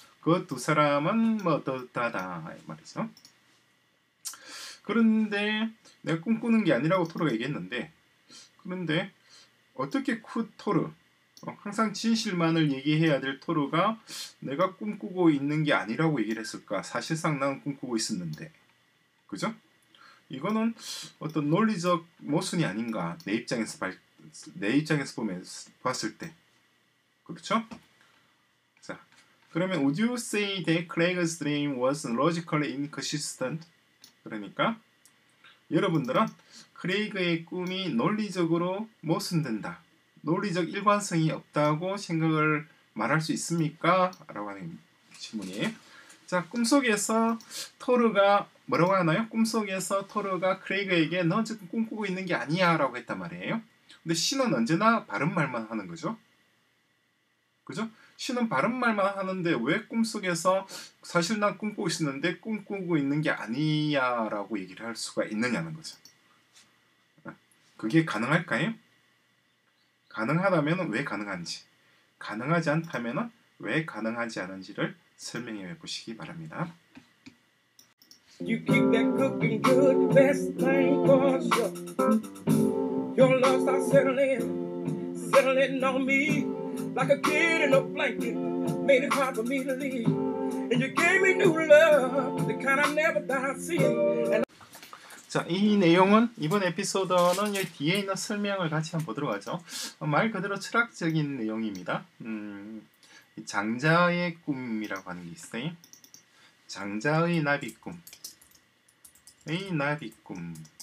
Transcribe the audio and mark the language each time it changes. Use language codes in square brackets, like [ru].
[ko] 그 두 사람은 뭐 어떻다다 말이죠. 그런데 내가 꿈꾸는 게 아니라고 토르가 얘기했는데 그런데 어떻게 토르 항상 진실만을 얘기해야 될 토르가 내가 꿈꾸고 있는 게 아니라고 얘기를 했을까? 사실상 나는 꿈꾸고 있었는데 그죠? 이거는 어떤 논리적 모순이 아닌가 내 입장에서 보면 봤을 때 그렇죠? 자 그러면 [en] Would you say that Craig's dream was logically inconsistent? [ko] 그러니까 여러분들은 크레이그의 꿈이 논리적으로 모순된다. 논리적 일관성이 없다고 생각을 말할 수 있습니까? 라고 하는 질문이에요. 자, 꿈속에서 토르가 뭐라고 하나요? 꿈속에서 토르가 크레이그에게 넌 지금 꿈꾸고 있는 게 아니야 라고 했단 말이에요. 근데 신은 언제나 바른 말만 하는 거죠. 그죠? 신은 바른 말만 하는데 왜 꿈속에서 사실 난 꿈꾸고 있었는데 꿈꾸고 있는 게 아니야 라고 얘기를 할 수가 있느냐는 거죠. 그게 가능할까요? 가능하다면 왜 가능한지, 가능하지 않다면 왜 가능하지 않은지를 설명해 보시기 바랍니다. [en] You keep that cooking good, best thing for sure. Your love's not settling on me like a kid in a blanket, made it hard for me to leave. And you gave me new love, the kind I never thought I'd see. [ko] 자, 이 내용은 이번 에피소드는 여기 뒤에 있는 설명을 같이 한번 보도록 하죠. 말 그대로 철학적인 내용입니다. 장자의 꿈이라고 하는 게 있어요. 장자의 나비꿈. 의 나비꿈.